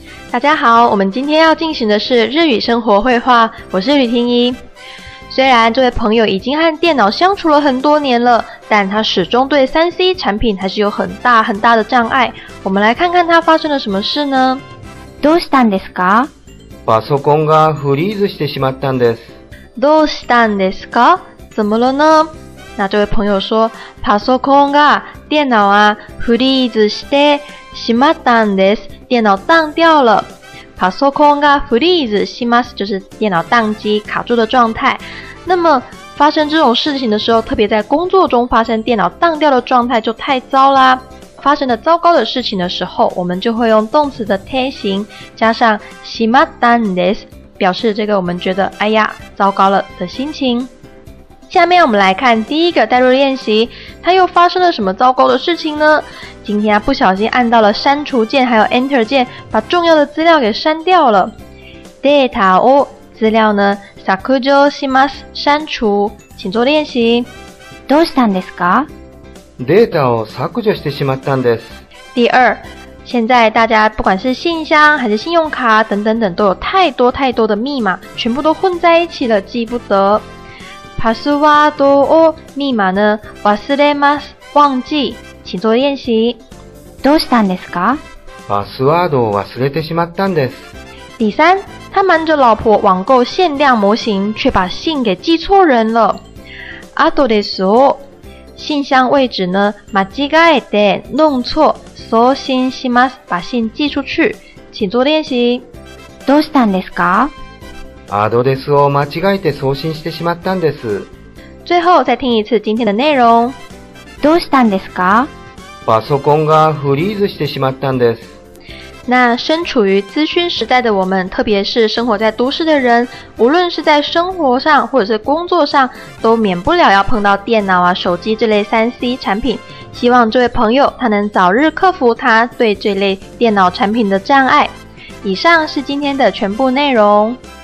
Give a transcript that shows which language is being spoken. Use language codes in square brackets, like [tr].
[zh] 大家好，我们今天要进行的是日语生活绘画，我是雨婷一。虽然这位朋友已经和电脑相处了很多年了，但他始终对3C 产品还是有很大很大的障碍。我们来看看他发生了什么事呢？ [ja] どうしたんですか？パソコンがフリーズしてしまったんです。どうしたんですか？ [zh] 怎么了呢？那这位朋友说， [ja] パソコンが [zh] 电脑啊 [ja] フリーズしてしまったんです。 [zh] 电脑当掉了。 [ja] パソコンがフリーズします， [zh] 就是电脑当机卡住的状态。那么发生这种事情的时候，特别在工作中发生电脑当掉的状态就太糟啦。发生了糟糕的事情的时候，我们就会用动词的贴形加上 [ja] しまったんです， [zh] 表示这个我们觉得哎呀糟糕了的心情。下面我们来看第一个代入练习，它又发生了什么糟糕的事情呢？今天啊，不小心按到了删除键还有 Enter 键，把重要的资料给删掉了。 [ja] データを [zh] 资料呢 [ja] 削除します [zh] 删除，请做练习。 [ja] どうしたんですか？データを削除してしまったんです。 [zh] 第二，现在大家不管是信箱还是信用卡等等等，都有太多太多的密码，全部都混在一起了，记不得。 [ja] パスワードを [zh] 密码呢 [ja] 忘れます [zh] 忘记，请做练习。 [ja] どうしたんですか？パスワードを忘れてしまったんです。 [zh] 第三，他瞒着老婆网购限量模型，却把信给寄错人了。 [ja] アドレスを [zh] 信箱位置呢 [ja] 間違えて [zh] 弄错 [ja] 送信します， [zh] 把信寄出去，请做练习。 [ja] どうしたんですか？アドレスを間違えて送信してしまったんです。 [zh] 最後、再听一次今天的内容。 [ja] どうしたんですか？パソコンがフリーズしてしまったんです。 [zh] 那身处于资讯时代的我们，特别是生活在都市的人，无论是在生活上或者是工作上，都免不了要碰到电脑啊、手机这类 3C 产品。希望这位朋友他能早日克服他对这类电脑产品的障碍。以上是今天的全部内容。